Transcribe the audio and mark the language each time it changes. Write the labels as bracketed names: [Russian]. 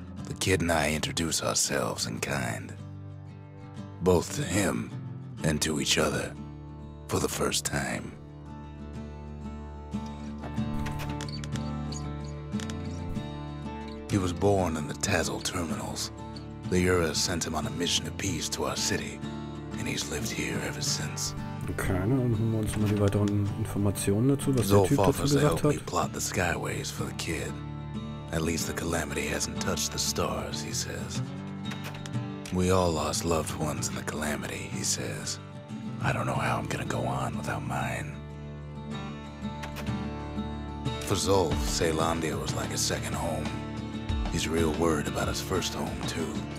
[English] The kid and I introduce ourselves in kind. Both to him and to each other for the first time. He was born in the Tazzle terminals. The Ura sent him on a mission of peace to our city, and he's lived here ever since. [German] Keine, und holen wir uns mal die weiteren Informationen dazu, was der Typ dazu gesagt hat. [English] He plot the skyways for the kid. At least the calamity hasn't touched the stars, he says. We all lost loved ones in the calamity, he says. I don't know how I'm gonna go on without mine. For Zulf, Ceylandia was like a second home. He's real worried about his first home, too.